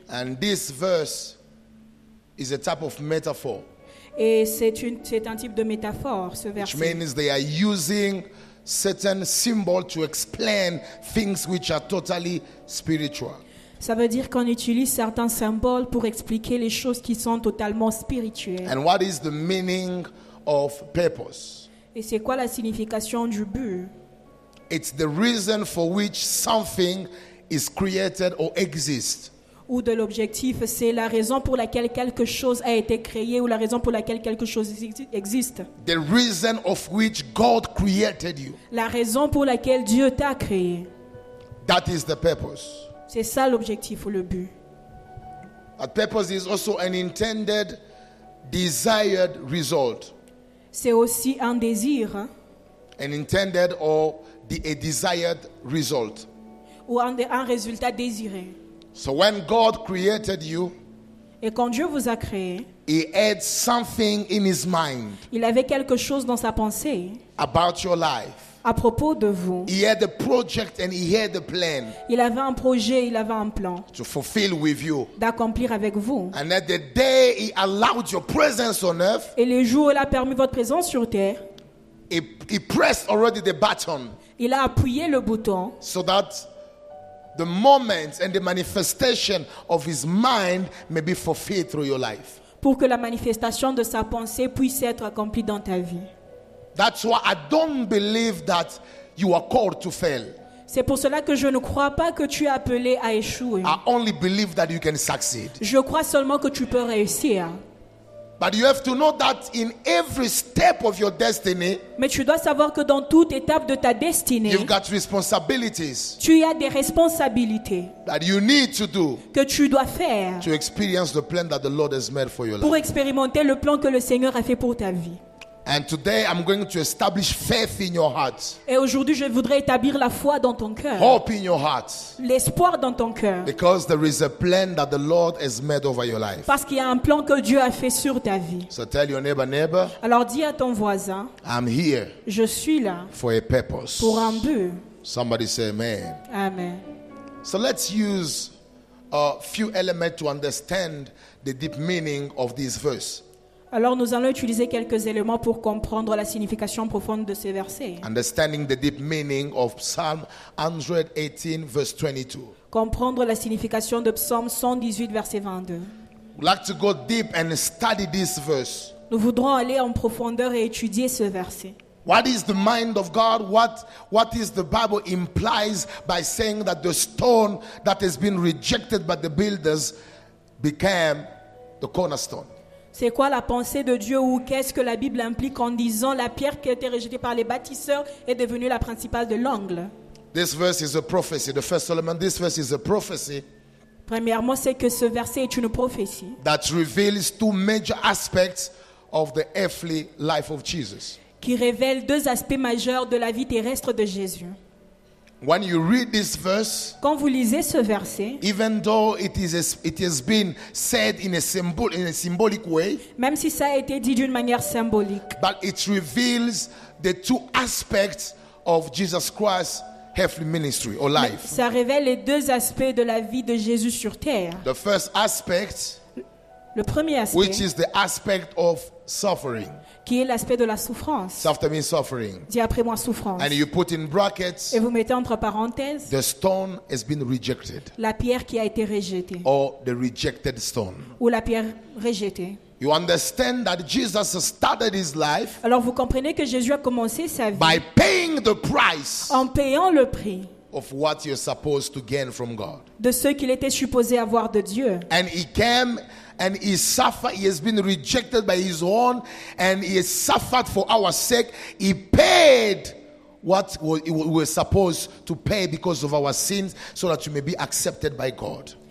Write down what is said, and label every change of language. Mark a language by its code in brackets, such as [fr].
[en] And this verse is a type of metaphor. [fr] Et c'est un type de métaphore, ce verset. [en] Which means they are using certain symbols to explain things which are totally spiritual. [fr] Ça veut dire qu'on utilise certains symboles pour expliquer les choses qui sont totalement spirituelles. [en] And what is the meaning of purpose? [fr] Et c'est quoi la signification du but? [en] It's the reason for which something is created or exists. [fr] Ou de l'objectif, c'est la raison pour laquelle quelque chose a été créé ou la raison pour laquelle quelque chose existe. [en] The reason of which God created you. [fr] La raison pour laquelle Dieu t'a créé. [en] That is the purpose. [fr] C'est ça l'objectif ou le but. [en] A purpose is also an intended, desired result. [fr] C'est aussi un désir. [en] An intended or a desired result. [fr] Ou un résultat désiré. [en] So when God created you, [fr] et quand Dieu vous a créé, [en] He had something in His mind. [fr] Il avait quelque chose dans sa pensée. [en] About your life. [fr] À propos de vous. [en] He had a project and He had a plan. [fr] Il avait un projet, il avait un plan. [en] To fulfill with you. [fr] D'accomplir avec vous. [en] And at the day He allowed your presence on earth. [fr] Et le jour où il a permis votre présence sur terre. [en] he pressed already the button. [fr] Il a appuyé le bouton. [en] So that the moment and the manifestation of his mind may be fulfilled through your life. [fr] Pour que la manifestation de sa pensée puisse être accomplie dans ta vie. [en] That's why I don't believe that you are called to fail. [fr] C'est pour cela que je ne crois pas que tu es appelé à échouer. [en] I only believe that you can succeed. [fr] Je crois seulement que tu peux réussir. [en] But you have to know that in every step of your destiny, [fr] mais tu dois savoir que dans toute étape de ta destinée, [en] you've got responsibilities. [fr] Tu as des responsabilités [en] that you need to do, [fr] que tu dois faire, [en] to experience the plan that the Lord has made for your life. [fr] Pour expérimenter le plan que le Seigneur a fait pour ta vie. [en] And today I'm going to establish faith in your heart. [fr] Et aujourd'hui je voudrais établir la foi dans ton cœur. [en] Hope in your heart. [fr] L'espoir dans ton cœur. [en] Because there is a plan that the Lord has made over your life. [fr] Parce qu'il y a un plan que Dieu a fait sur ta vie. [en] So tell your neighbor. [fr] Alors dis à ton voisin. [en] I'm here. [fr] Je suis là. [en] For a purpose. [fr] Pour un but. [en] Somebody say amen. [fr] Amen. [en] So let's use a few elements to understand the deep meaning of this verse. [fr] Alors nous allons utiliser quelques éléments pour comprendre la signification profonde de ces versets. [en] Understanding the deep meaning of Psalm 118 verse 22. [fr] Comprendre la signification de Psaume 118 verset 22. [en] We'd like to go deep and study this verse. [fr] Nous voudrons aller en profondeur et étudier ce verset. [en] What is the mind of God? What is the Bible implies by saying that the stone that has been rejected by the builders became the cornerstone? [fr] C'est quoi la pensée de Dieu ou qu'est-ce que la Bible implique en disant la pierre qui a été rejetée par les bâtisseurs est devenue la principale de l'angle? [en] This verse is a prophecy. The first element, this verse is a prophecy. [fr] Premièrement, c'est que ce verset est une prophétie. [en] That reveals two major aspects of the earthly life of Jesus. [fr] Qui révèle deux aspects majeurs de la vie terrestre de Jésus. [en] When you read this verse, [fr] quand vous lisez ce verset, [en] even though it has been said in a symbolic way, [fr] même si ça a été dit d'une manière symbolique, [en] but it reveals the two aspects of Jesus Christ's earthly ministry or life. [fr] Ça révèle les deux aspects de la vie de Jésus sur terre. [en] The first aspect, [fr] le premier aspect, [en] which is the aspect of suffering. [fr] Qui est l'aspect de la souffrance. [en] After me suffering. [fr] Dis après moi souffrance. [en] And you put in brackets. [fr] Et vous mettez entre parenthèses. [en] The stone has been rejected. [fr] La pierre qui a été rejetée. [en] Or the rejected stone. [fr] Ou la pierre rejetée. [en] You understand that Jesus started his life. [fr] Alors vous comprenez que Jésus a commencé sa vie. [en] By paying the price. [fr] En payant le prix. [en] Of what you're supposed to gain from God. [fr] De ce qu'il était supposé avoir de Dieu. [en] And he came. And he suffered, he has been rejected by his own, and he has suffered for our sake. He paid what we were supposed to pay because of our sins, so that you may be accepted by God.